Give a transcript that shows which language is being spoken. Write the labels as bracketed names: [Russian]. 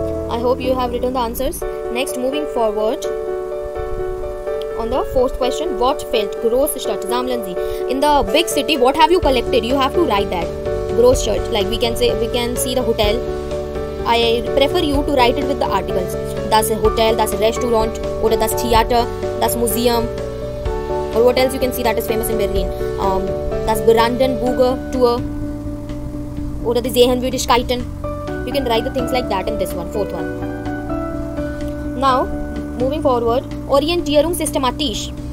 [English] I hope you have written the answers. Next, moving forward. On the fourth question, what felt? [German] Großstadt, sammeln Sie. [English] In the big city, what have you collected? You have to write that. Großstadt, like we can see the hotel. I prefer you to write it with the articles. [German] Das Hotel, das Restaurant, oder das Theater, das Museum. [English] Or what else you can see that is famous in Berlin? Das Brandenburger Tor. [German] Oder die Sehenswürdigkeiten. [English] You can write the things like that in this one, fourth one. Now, moving forward. Orientierung systematisch.